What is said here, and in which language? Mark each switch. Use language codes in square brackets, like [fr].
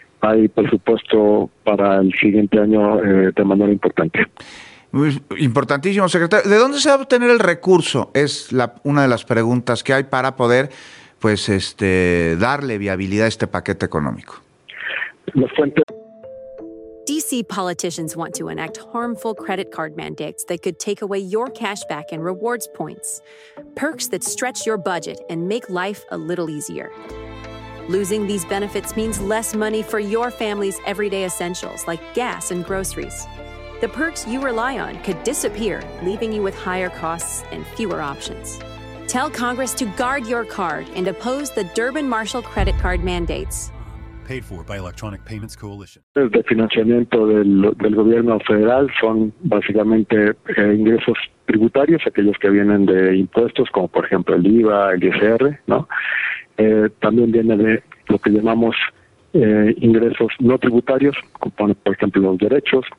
[es] Hay presupuesto para el siguiente año de manera importante. Importantísimo, secretario. ¿De dónde se va a obtener el recurso? Es una de las preguntas que hay para poder, pues, darle viabilidad a este paquete económico. [en] DC politicians want to enact harmful credit card mandates that could take away your cash back and rewards points. Perks that stretch your budget and make life a little easier. Losing these benefits means less money for your family's everyday essentials like gas and groceries. The perks you rely on could disappear, leaving you with higher costs and fewer options. Tell Congress to guard your card and oppose the Durbin-Marshall credit card mandates. Paid for by Electronic Payments Coalition. [es] De financiamiento del gobierno federal son básicamente ingresos tributarios, aquellos que vienen de impuestos, como por ejemplo el IVA, el ISR, ¿no? También viene de lo que llamamos ingresos no tributarios, como por ejemplo los derechos.